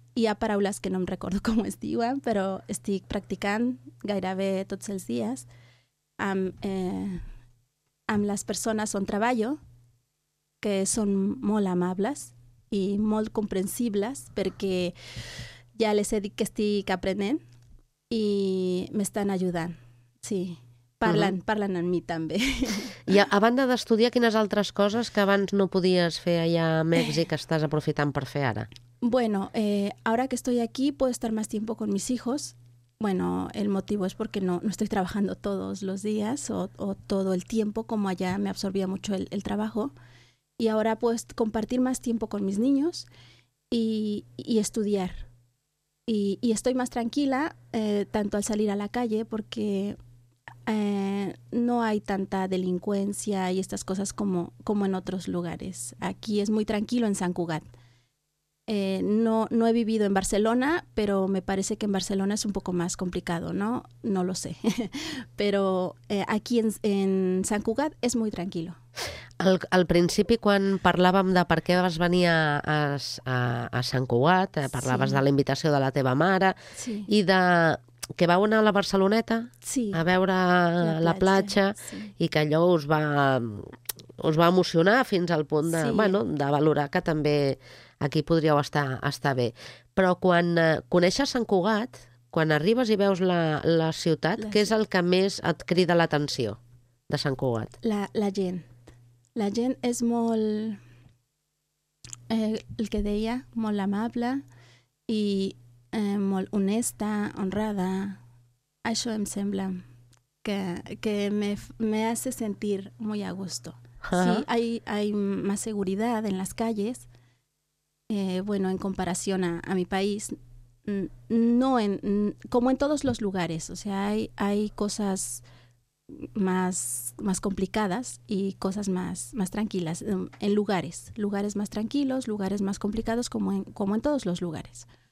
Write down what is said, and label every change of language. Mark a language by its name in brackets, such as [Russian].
[Catalan] Hi ha paraules que no em recordo com es diuen, però estic practicant gairebé tots els dies amb les persones on treballo, que són molt amables i molt comprensibles, perquè ja les he dit que estic aprenent i m'estan ajudant. Sí, parlen, parlen amb mi també. I a banda d'estudiar, quines altres coses que abans no podies fer allà a Mèxic estàs aprofitant per fer ara? [Spanish] Bueno, ahora que estoy aquí puedo estar más tiempo con mis hijos. Bueno, el motivo es porque no estoy trabajando todos los días o todo el tiempo, como allá me absorbía mucho el trabajo. Y ahora puedo compartir más tiempo con mis niños y estudiar. Y estoy más tranquila, tanto al salir a la calle, porque no hay tanta delincuencia y estas cosas como en otros lugares. Aquí es muy tranquilo en San Cugat. No he vivido en Barcelona, pero me parece que en Barcelona es un poco más complicado, ¿no? No lo sé. Pero aquí en San Cugat es muy tranquilo. [Catalan] Al principi, quan parlàvem de per què vas venir a Sant Cugat, parlaves de la invitació de la teva mare i de que vau anar a la Barceloneta a veure la platja i que allò us va emocionar fins al punt de, de valorar que també aquí podríeu estar bé. Però quan coneixes Sant Cugat, quan arribes i veus la ciutat, què és el que més et crida l'atenció de Sant Cugat? La gent. La gent és molt, el que deia, molt amable i molt honesta, honrada. Això em sembla que [Spanish] me hace sentir muy a gusto. Sí, hay más seguridad en las calles, en comparación a mi país. No en, como en todos los lugares, o sea, hay cosas más complicadas y cosas más tranquilas en lugares más tranquilos, lugares más complicados, como en todos los lugares.